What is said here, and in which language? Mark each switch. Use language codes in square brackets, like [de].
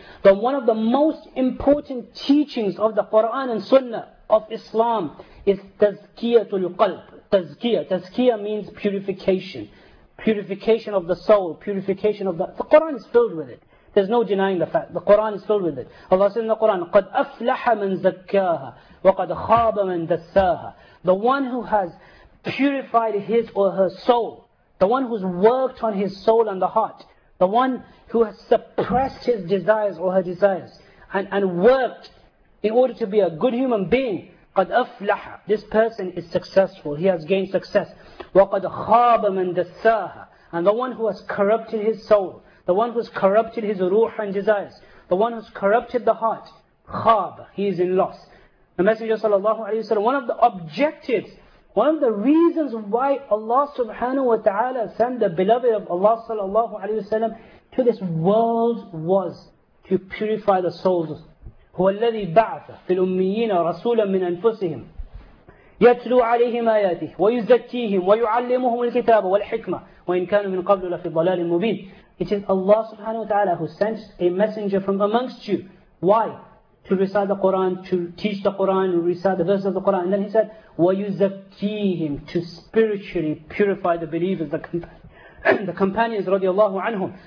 [en] But one of the most important teachings of the Quran and Sunnah of Islam is tazkiyatul qalb. Tazkiyah. Tazkiyah means purification. Purification of the soul, purification of the Quran is filled with it. There's no denying the fact. The Quran is filled with it. Allah says in the Quran, [ar] قَدْ أَفْلَحَ مَنْ زَكَّاهَا وَقَدْ خَابَ مَنْ دَسَّاهَا. [en] The one who has purified his or her soul, the one who's worked on his soul and the heart, the one who has suppressed his desires or her desires, and worked in order to be a good human being, [ar] قَدْ أَفْلَحَ. [en] This person is successful. He has gained success. [ar] وَقَدْ خَابَ مَنْ دَسَّاهَ. [en] And the one who has corrupted his soul, the one who has corrupted his ruh and desires, the one who has corrupted the heart, خَابَ, he is in loss. The Messenger sallallahu alayhi wa sallam, one of the objectives, one of the reasons why Allah subhanahu wa ta'ala sent the beloved of Allah sallallahu alayhi wa sallam to this world was to purify the souls. [ar] هو الذي بعث في الأميين رسولا من أنفسهم يتلو عليهم آياته ويزكيهم ويعلمهم الكتاب والحكمة وإن كانوا من قبل لفي ضلال مبين. [en] It is Allah subhanahu wa ta'ala who sent a messenger from amongst you. Why? To recite the Quran, to teach the Quran, to recite the verses of the Quran. And then he said, وَيُزَكِّيهِمْ, to spiritually purify the believers, the companions radiallahu anhum.